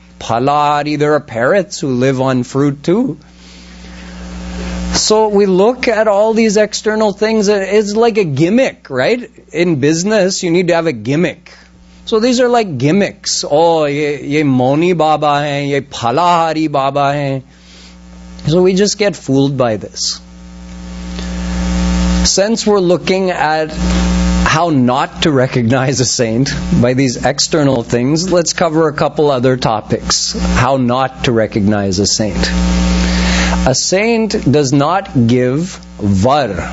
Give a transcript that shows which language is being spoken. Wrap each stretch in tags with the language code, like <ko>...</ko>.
<en>Phalahari, there are parrots who live on fruit too. So we look at all these external things. It's like a gimmick, right? In business, you need to have a gimmick. So these are like gimmicks.</en> <hi>Oh, ये मोनी बाबा है, ये फलाहारी बाबा है.</hi> <en>So we just get fooled by this. Since we're looking at how not to recognize a saint by these external things, let's cover a couple other topics. How not to recognize a saint. A saint does not give var.</en>